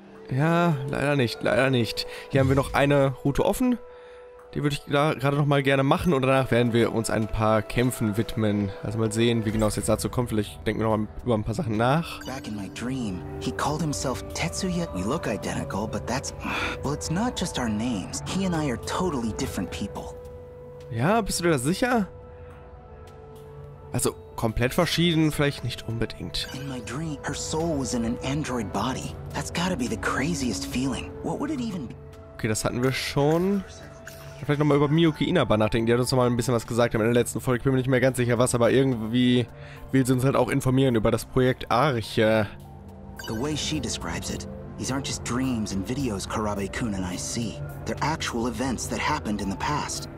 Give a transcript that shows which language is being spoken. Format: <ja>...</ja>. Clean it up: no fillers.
<de>Ja, leider nicht. Hier haben wir noch eine Route offen. Die würde ich da gerade noch mal gerne machen. Und danach werden wir uns ein paar Kämpfen widmen. Also mal sehen, wie genau es jetzt dazu kommt. Vielleicht denken wir noch mal über ein paar Sachen nach.</de> <en>Back in my dream, he called himself Tetsuya. We look identical, but that's... Well, it's not just our names. He and I are totally different people.</en> <de>Ja, bist du dir da sicher? Also, komplett verschieden, vielleicht nicht unbedingt.</de> <en>In my dream, her soul was in an android body. That's gotta be the craziest feeling. What would it even be?</en> <de>Okay, das hatten wir schon. Vielleicht nochmal über Miyuki Inaba nachdenken. Die hat uns nochmal ein bisschen was gesagt in der letzten Folge. Ich bin mir nicht mehr ganz sicher, was, aber irgendwie will sie uns halt auch informieren über das Projekt Arche.</de> <en>The way she describes it, these aren't just dreams and videos Karabe-kun and I see. They're actual events that happened in the past.</en>